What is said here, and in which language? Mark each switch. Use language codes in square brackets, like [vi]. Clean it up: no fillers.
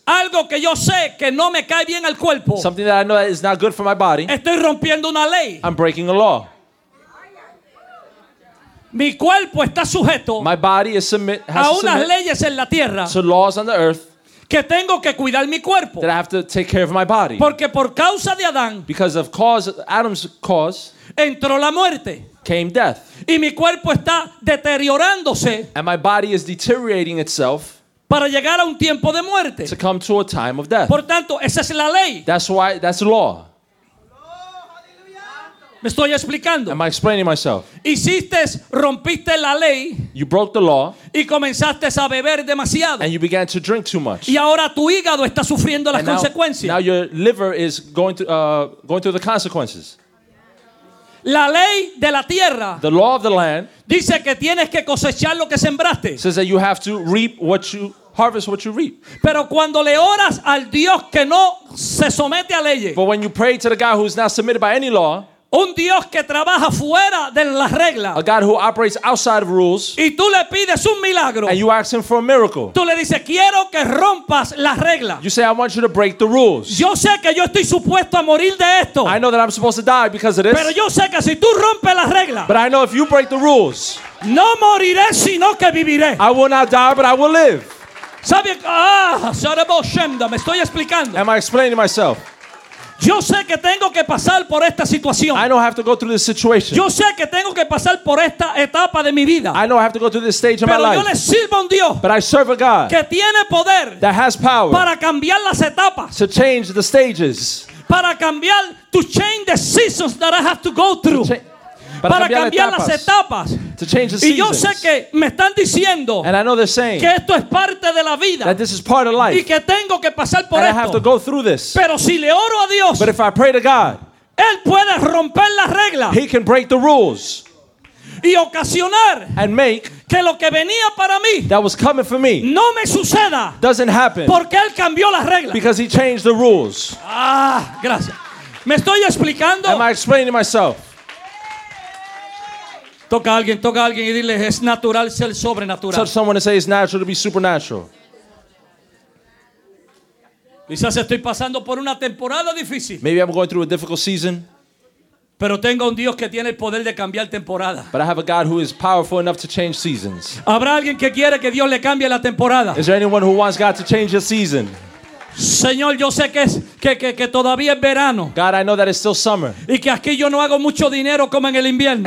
[es] Algo que yo sé que no me cae bien al cuerpo. [en] Something that I know that is not good for my body. [es] Estoy rompiendo una ley. [en] I'm breaking a law. [es] Mi cuerpo está sujeto. [en] My body is has [es] a unas leyes en la tierra. [en] To laws on the earth. [es] Que tengo que cuidar mi cuerpo. [en] That I have to take care of my body. [es] Porque por causa de Adán. [en] Because of Adam's cause. [es] Entró la muerte. [en] Came death. [es] Y mi cuerpo está deteriorándose. [en] And my body is deteriorating itself. [es] Para llegar a un tiempo de muerte. [en] To come to a time of death. [es] Por tanto, esa es la ley. [en] That's why, that's law. [es] Me estoy explicando. [en] Am I explaining myself? [es] Hiciste, rompiste la ley. [en] You broke the law. [es] Y comenzaste a beber demasiado. [en] And you began to drink too much. [es] Y ahora tu hígado está sufriendo las consecuencias. [en] Now your liver is going through the consequences. [es] La ley de la tierra. [en] The law of the land. [es] Dice que tienes que cosechar lo que sembraste. [en] Says that you have to reap what you harvest what you reap. [es] Pero cuando le oras al Dios que no se somete a leyes. [en] But when you pray to the God who is not submitted by any law. [es] Un Dios que trabaja fuera de las reglas. [en] A God who operates outside of rules. [es] Y tú le pides un milagro. [en] And you ask him for a miracle. [es] Tú le dices, quiero que rompas las reglas. [en] You say, I want you to break the rules. [es] Yo sé que yo estoy supuesto a morir de esto. [en] I know that I'm supposed to die because of this. [es] Pero yo sé que si tú rompes las reglas. [en] But I know if you break the rules. [es] No moriré, sino que viviré. [en] I will not die, but I will live. [es] ¿Sabe? Ah, Sarebo Shemda, me estoy explicando. [en] Am I explaining myself? [es] Yo sé que tengo que pasar por esta situación. [en] I know I have to go through this situation. [es] Yo sé que tengo que pasar por esta etapa de mi vida. [en] I know I have to go through this stage of [es] Pero [en] my life. [es] Pero yo le sirvo a un Dios. [en] But I serve a God. [es] Que tiene poder. [en] That has power. [es] Para cambiar las etapas. [en] To change the stages. [es] Para cambiar, [en] to change the seasons that I have to go through. [es] Para cambiar etapas. Las etapas. [en] To change the seasons. [es] Y yo sé que me están diciendo. [en] And I know they're saying. [es] Que esto es parte de la vida. [en] That this is part of life. [es] Y que tengo que pasar por [en] and [es] esto. [en] I have to go through this. [es] Pero si le oro a Dios. [en] But if I pray to God. [es] Él puede romper las reglas. [en] He can break the rules. [es] Y ocasionar. [en] And make. [es] Que lo que venía para mí. [en] That was coming for me. [es] No me suceda. [en] Doesn't happen. [es] Porque él cambió las reglas. [en] Because he changed the rules. [es] Ah, gracias. Me estoy explicando. [en] Am I explaining myself? [es] Toca a alguien y dile, es natural ser sobrenatural. [en] Touch someone and say, it's natural to be supernatural. [es] Quizás estoy pasando por una temporada difícil. [en] Maybe I'm going through a difficult season. [es] Pero tengo un Dios que tiene el poder de cambiar temporada. [en] But I have a God who is powerful enough to change seasons. [es] ¿Habrá alguien que quiere que Dios le cambie la temporada? [en] Is there anyone who wants God to change the season? [es] Señor, yo sé que es que todavía es verano. [en] God, I know that it's still summer. [es] Y que aquí yo no hago mucho dinero como en el invierno.